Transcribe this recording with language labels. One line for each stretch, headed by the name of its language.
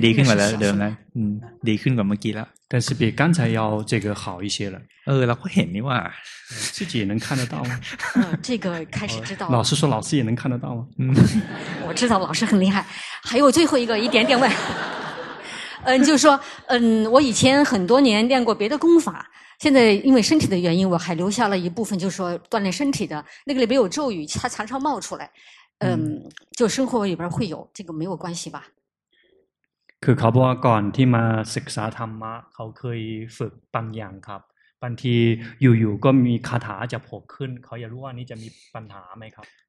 Thai: ดีขึ้นกว่าเดิมแล้วดีขึ้นกว่าเมื่อกี้แล้ว
Chinese: 但是比刚才要这个好一些了
Thai: เราก็เห็นนี่ว่า
Chinese: 自己也能看得到吗这个开始知道老师说老师也能看得到吗我知道老师很厉害还有最后一个一点点问就是说我以前很多年练过别的功法现在因为身体的原因我还留下了一部分就是说锻炼身体的那个里边有咒语它常常冒出来就生活里边会有这个没有关系吧
Thai: คือเขาบอกว่าก่อนที่มาศึกษาธรรมะเขาเคยฝึกบางอย่างครับบางทีอยู่ๆก็มีคาถาจะโผล่ขึ้นเขาอยากรู้ว่านี่จะมีปัญหาไหมครับ